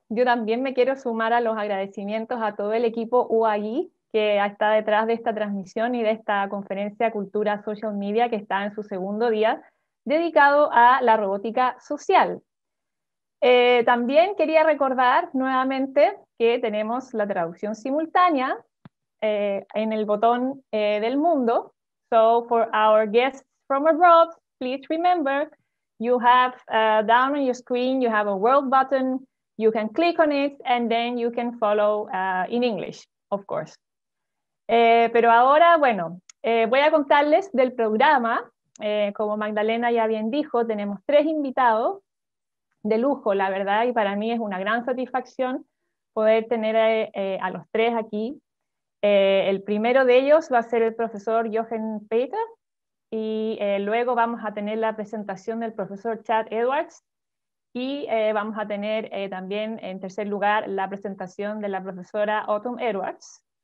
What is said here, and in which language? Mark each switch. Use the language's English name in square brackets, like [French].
[Spanish] Yo también me quiero sumar a los agradecimientos a todo el equipo UAI que está detrás de esta transmisión y de esta conferencia Cultura Social Media que está en su segundo día dedicado a la robótica social. También quería recordar nuevamente que tenemos la traducción simultánea en el botón del mundo. [English] So for our guests from abroad, please remember you have down on your screen, you have a world button, you can click on it and then you can follow in English, of course. [Spanish] Pero ahora, bueno, voy a contarles del programa. Como Magdalena ya bien dijo, tenemos tres invitados de lujo, la verdad, y para mí es una gran satisfacción poder tener a los tres aquí. El primero de ellos va a ser el profesor Jochen Peter, y luego vamos a tener la presentación del profesor Chad Edwards, y vamos a tener también, en tercer lugar, la presentación de la profesora Autumn Edwards.